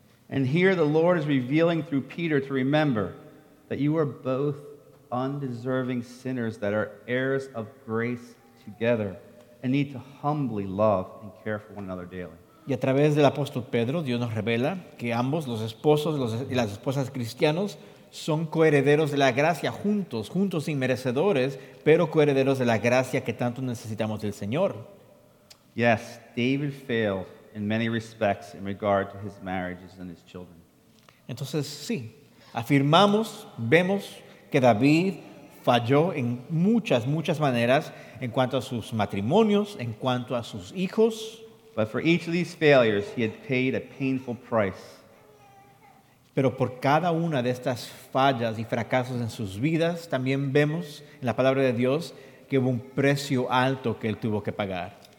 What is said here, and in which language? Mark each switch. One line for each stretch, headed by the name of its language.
English: And here the Lord is revealing through Peter to remember that you are both undeserving sinners that are heirs of grace together and need to humbly love and care for one another daily.
Spanish: Y a través del apóstol Pedro, Dios nos revela que ambos, los esposos y las esposas cristianos, son coherederos de la gracia juntos sin merecedores, pero coherederos de la gracia que tanto necesitamos del Señor.
English: Yes, David failed in many respects in regard to his marriages and his children.
Spanish: Entonces, sí, afirmamos, vemos que David falló en muchas maneras en cuanto a sus matrimonios, en cuanto a sus hijos.
English: But for each of these failures, he had paid a painful price.
Spanish: Pero por cada una de estas fallas y fracasos en sus vidas, también vemos en la palabra de Dios que hubo un precio alto que él tuvo que pagar.